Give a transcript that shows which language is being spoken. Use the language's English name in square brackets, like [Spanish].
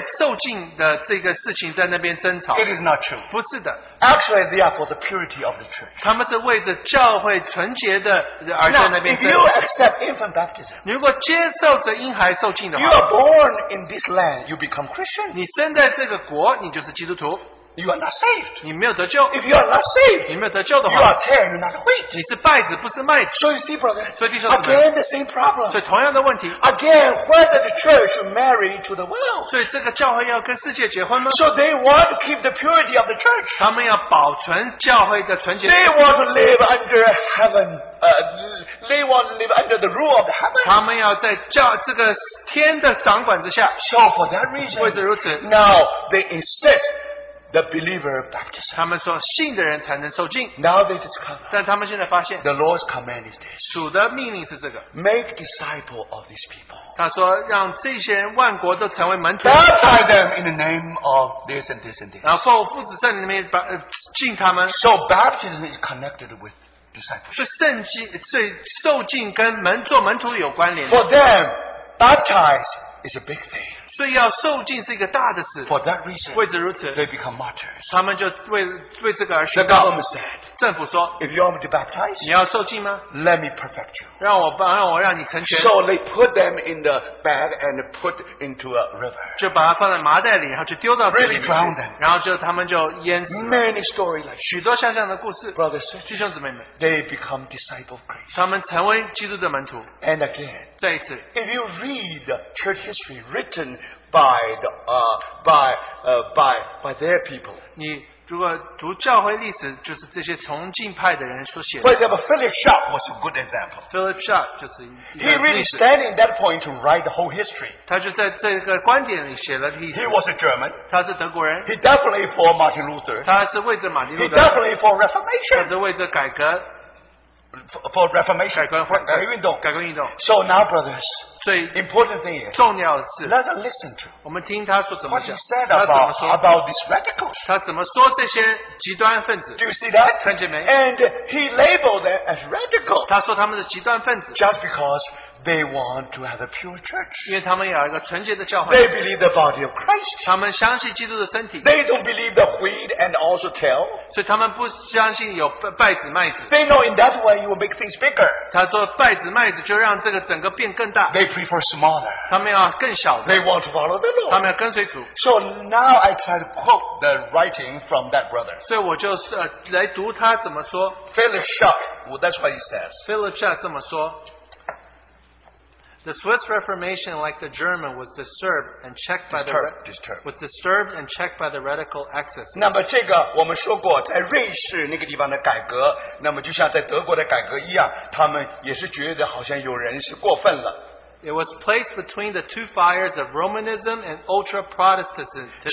[Chinese] 所以我们以为他刚开始只是这个因为受浸的这个事情在那边争吵。 [English] It is not true. [Chinese] 不是的。 [English] Actually, they are for the purity of the church. [Chinese] 他们是为着教会纯洁的而在那边争吵。 [English] Now, if you accept infant baptism, [Chinese] 如果接受着婴孩受浸的话, [English] you are born in this land, you become Christian. [Chinese] 你生在这个国, 你就是基督徒。 [English] You are not saved. [Chinese] 你没有得救, [English] if you are not saved, [Chinese] 你没有得救的话, [English] you are tares, not wheat. [Chinese] 你是败子,不是麦子, [English] so you see, brother, [Chinese] 所以弟兄姊妹, [English] again the same problem. [Chinese] 所以同样的问题, [English] again, whether the church should marry to the world. [Chinese] 所以这个教会要跟世界结婚吗? [English] So they want to keep the purity of the church. [Chinese] 他们要保存教会的纯洁性, [English] they want to live under heaven. They want to live under the rule of the heaven. [Chinese] 他们要在教这个天的掌管之下, [English] so for that reason, [Chinese] 为此如此, [English] now they insist. The believer baptism. [Chinese] 他们说信的人才能受浸, [English] now they discover. [Chinese] 但他们现在发现, [English] the Lord's command is this. [Chinese] 主的命令是这个, [English] make disciples of these people. [Chinese] 他说让这些万国都成为门徒, [English] baptize them in the name of this and this and this. [Chinese] 然后父子圣灵里面浸他们, [English] so baptism is connected with discipleship. For them, baptize is a big thing. [Chinese] 所以要受浸是一个大的事, [English] for that reason, [Chinese] 为此如此, [English] they become martyrs. [Chinese] 他们就为这个而宣告, [English] the government said, [Chinese] 政府说, [English] if you want me to baptize, [Chinese] 你要受浸吗? [English] Let me perfect you. [Chinese] 让我让你成全, [English] so they put them in the bag and put into a river. [Chinese] 就把它放在麻袋里, 然后就丢到水里面, [English] really drown them. [Chinese] 然后就他们就淹死了, [English] many stories like [Chinese] that. 许多像这样的故事, [English] brothers, [Chinese] 弟兄姊妹们, [English] they become disciples of Christ. [Chinese] 他们成为基督的门徒, [English] and again, [Chinese] 再一次, [English] if you read the church history written by the by their people. [Chinese] 你如果读教会历史, 就是这些崇敬派的人所写的, [English] for example, Philip Sharp was a good example. [Chinese] Philip Sharp 就是一个历史, [English] he really standing that point to write the whole history. [Chinese] 他就在这个观点里写了历史, [English] he was a German. [Chinese] 他是德国人, [English] he definitely for Martin Luther. [Chinese] 他是为着马丁路德, [English] he definitely for Reformation. [Chinese] 他是为着改革, [English] for Reformation, [Chinese] 改革运动, 改革运动. [English] So now, brothers, [Chinese] 最 [English] important thing is, [Chinese] 重要的是, [English] let us listen to [Chinese] 我们听他说怎么讲, [English] what he said about these radicals. [Chinese] 他怎么说这些极端分子, [English] do you see that? [Chinese] 看见没? [English] And he labeled them as radical, [Chinese] 他说他们是极端分子, [English] just because they want to have a pure church. [Chinese] 因为他们有一个纯洁的教会, [English] they believe the body of Christ. [Chinese] 他们相信基督的身体, [English] they don't believe the wheat and also tare. [Chinese] 所以他们不相信有败子麦子, [English] they know in that way you will make things bigger. [Chinese] 他说败子麦子就让这个整个变更大, [English] they prefer smaller. [Chinese] 他们要更小的, [English] they want to follow the Lord. [Chinese] 他们要跟随主。 [English] So now I try to quote the writing from that brother. [Chinese] 所以我就来读他怎么说, [English] Philip Sharp, well, that's what he says. Philip Sharp [Chinese] 这么说, [English] the Swiss Reformation, like the German, was disturbed and checked by the radical excesses. [Chinese] 那么这个我们说过，在瑞士那个地方的改革，那么就像在德国的改革一样，他们也是觉得好像有人是过分了。 [English] It was placed between the two fires of Romanism and ultra-Protestantism.